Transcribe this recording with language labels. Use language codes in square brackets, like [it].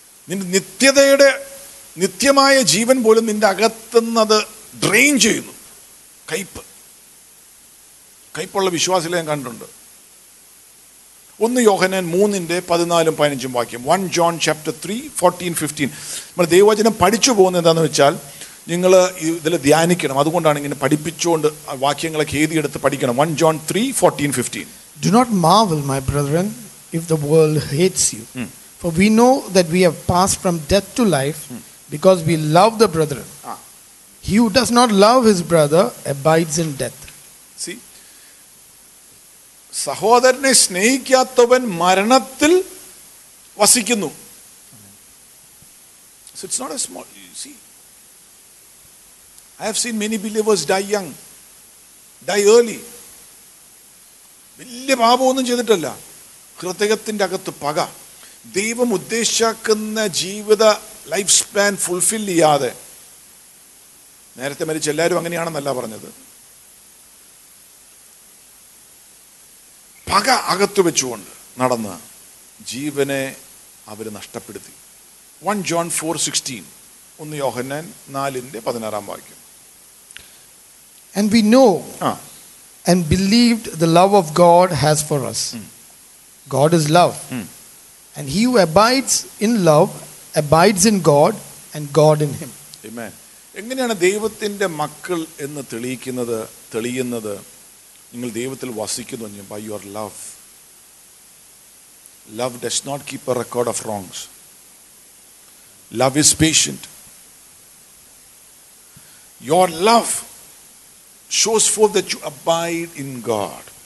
[ml] നിന്റെ നിത്യതയുടെ നിത്യമായ ജീവൻ പോലും നിന്റെ അകത്തുന്നത് ഡ്രെയിൻ ചെയ്യുന്നു കയ്പ് കയ്പുള്ള വിശ്വാസികളെ ഞാൻ കണ്ടിട്ടുണ്ട് ഒന്ന് യോഹന്നാൻ 3:14-15 വാക്യം 1 John 3:14-15 നമ്മൾ ദൈവവചനം പഠിച്ചു പോകുന്നത് എന്താണെന്ന് വെച്ചാൽ നിങ്ങൾ ഇതിൽ ധ്യാനിക്കണം അതുകൊണ്ടാണ് ഇങ്ങനെ പഠിപ്പിച്ചുകൊണ്ട് വാക്യങ്ങളൊക്കെ എഴുതിയെടുത്ത് പഠിക്കണം 1 John 3:14-15 [en] Do not marvel, my brethren, if the world hates you. For we know that we have passed from death to life. Because we love the brethren. He who does not love his brother abides in death. [ml] See, സഹോദരനെ സ്നേഹിക്കാത്തവൻ മരണത്തിൽ വസിക്കുന്നു. [en] So it's not a small, you see. I have seen many believers die young, die early. [ml] വലിയ പാപമൊന്നും ചെയ്തിട്ടല്ല. ഹൃദയത്തിന്റെ അകത്ത് പക. ദൈവം ഉദ്ദേശിച്ചാക്കുന്ന ജീവിത life span fulfil ചെയ്യാതെ നേരത്തെ മരിച്ച എല്ലാവരും അങ്ങനെയാണെന്നല്ല പറഞ്ഞത് പക അകത്തു വെച്ചുകൊണ്ട് നടന്ന് ജീവനെ അവർ നഷ്ടപ്പെടുത്തി 1 John 4:16 1 യോഹന്നാൻ 4:16 വാക്യം [en] And we know and believed the love of God has for us. God is love. And he who abides in love abides in God and God in him. Amen. [ml] എങ്ങനെയാണ് ദൈവത്തിന്റെ മക്കൾ എന്ന് തെളിയിക്കുന്നത് തെളിയുന്നത് നിങ്ങൾ ദൈവത്തിൽ വസിക്കുന്നു എന്ന് [en] by your love. Love does not keep a record of wrongs. Love is patient. Your love shows forth that you abide in God.